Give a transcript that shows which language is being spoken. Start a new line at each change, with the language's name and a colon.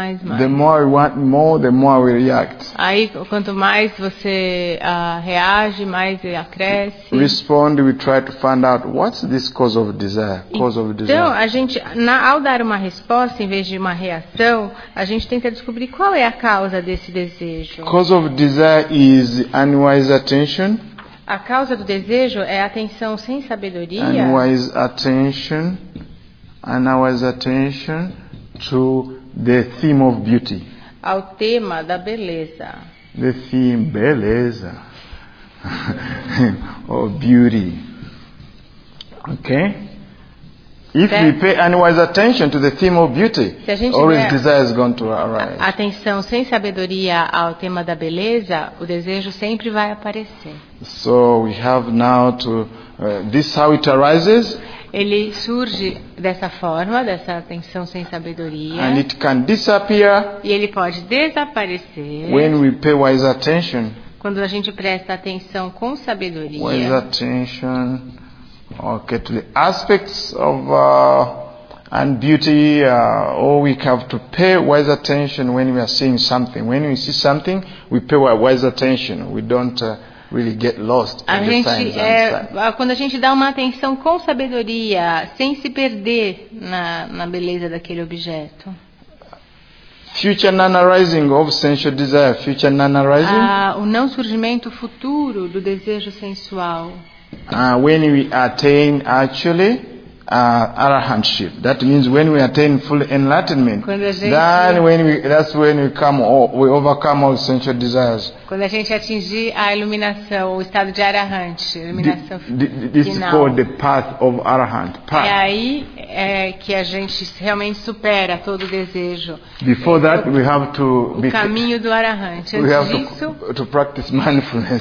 English: The more we want more, the more we react.
Portuguese: Aí quanto mais você reage, mais ele cresce.
English: Respond, we try to find out what's this cause of desire. Cause of desire.
Portuguese: Então a gente, ao dar uma resposta em vez de uma reação, a gente tenta descobrir qual é a causa desse desejo.
English: Cause of desire is unwise attention.
Portuguese: A causa do desejo é atenção sem sabedoria.
English: Unwise attention, unwise attention to the theme of beauty.
Portuguese: Ao tema da beleza.
English: The theme, beleza. Of beauty. Okay? If we pay unwise attention to the theme of beauty, always desire is going to arise.
Portuguese: Atenção sem sabedoria ao tema da beleza, o desejo sempre vai aparecer.
English: So we have now to this how it arises.
Portuguese: Ele surge dessa forma, dessa atenção sem sabedoria.
English: And it can disappear.
Portuguese: E ele pode desaparecer.
English: When we pay wise attention.
Portuguese: Quando a gente presta atenção com sabedoria.
English: Wise attention. Okay, to the aspects of and beauty, we have to pay wise attention when we are seeing something. When we see something, we pay wise attention. We don't really get lost in the signs and
Portuguese: Quando a gente dá uma atenção com sabedoria, sem se perder na beleza daquele objeto.
English: Future non-arising of sensual desire. Future non-arising.
Portuguese: O não surgimento futuro do desejo sensual.
English: When we attain actually arahantship, that means when we attain full enlightenment, that's when we overcome all sensual desires.
Portuguese: Quando a gente atingir a iluminação, o estado de arahant,
English: this is called the path of arahant.
Portuguese: É aí que a gente realmente supera todo o desejo.
English: Before that, we have to
Portuguese: o caminho do arahant.
English: We have to practice mindfulness.